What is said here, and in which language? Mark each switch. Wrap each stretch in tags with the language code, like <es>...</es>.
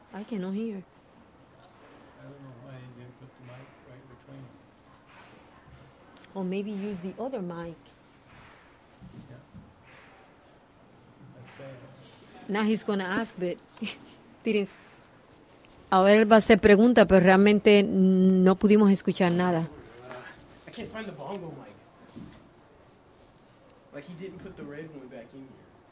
<en>I cannot hear. I don't know why I didn't put the mic right between. Or maybe use the other mic. Yeah. That's bad. Now he's going to ask, but didn't.</en> <es>Ahora él va a hacer pregunta, pero realmente no pudimos escuchar nada.</es> <en>I can't find the bongo mic. Like he didn't put the red one back in here.</en>